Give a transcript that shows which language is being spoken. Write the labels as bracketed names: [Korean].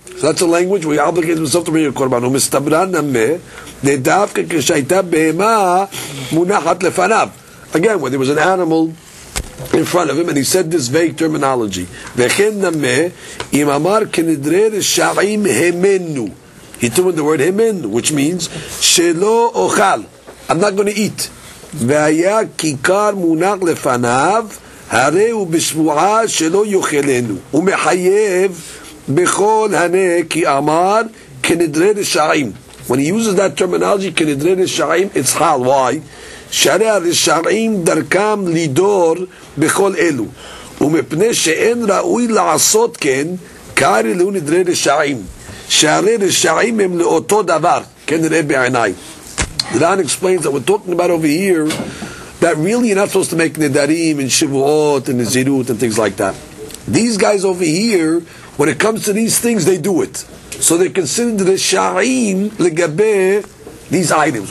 [English] So that's a language where he obligates himself to bring a korban. [Hebrew] Umistabran ame, nedavka kishaita behema munachat lefanav. [English] Again, when there was an animal in front of him, and he said this vague terminology. [Hebrew] Vechen ame, imamar kenidre reshaim hemenu. [English] He threw in the word hemen, which means [Hebrew] shelo ochal. [English] I'm not going to eat. [Hebrew] והיה כיכר מונח לפניו, הרי הוא בשבועה שלא יוכלנו. הוא מחייב בכל הנה כי אמר כנדרי רשעים. [English] When he uses that terminology, [Hebrew] כנדרי רשעים, [English] it's hal. Why? [Hebrew] שהרי הרשעים דרכם לידור בכל אלו. ומפני שאין ראוי לעשות כן, כערי לו נדרי רשעים. שהרי רשעים הם לאותו דבר, כנראה בעיניי. [English] Ran explains that we're talking about over here that really you're not supposed to make nedarim and shivuot and nizirut and things like that. These guys over here, when it comes to these things, they do it. So they're considered the sha'im legabe these items.